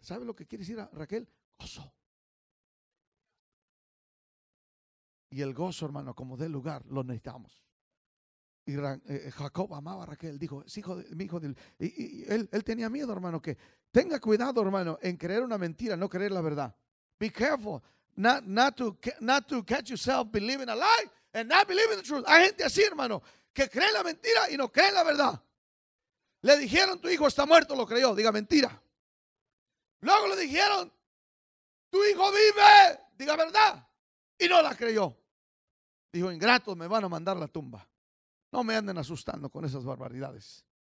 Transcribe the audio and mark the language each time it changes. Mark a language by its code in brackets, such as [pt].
[es] ¿Sabe lo que quiere decir a Raquel? Gozo. Y el gozo, hermano, como dé lugar, lo necesitamos. Y Jacob amaba a Raquel. Dijo, es hijo de mi hijo. Y él tenía miedo, hermano, que tenga cuidado, hermano, en creer una mentira, no creer la verdad. [en] Be careful not to catch yourself believing a lie. And not believing the truth. [es] Hay gente así, hermano, que cree la mentira y no cree la verdad. Le dijeron, tu hijo está muerto, lo creyó. Diga, mentira. Luego le dijeron, tu hijo vive. Diga, verdad. Y no la creyó. Dijo, ingrato, me van a mandar a la tumba. No me anden asustando con esas barbaridades.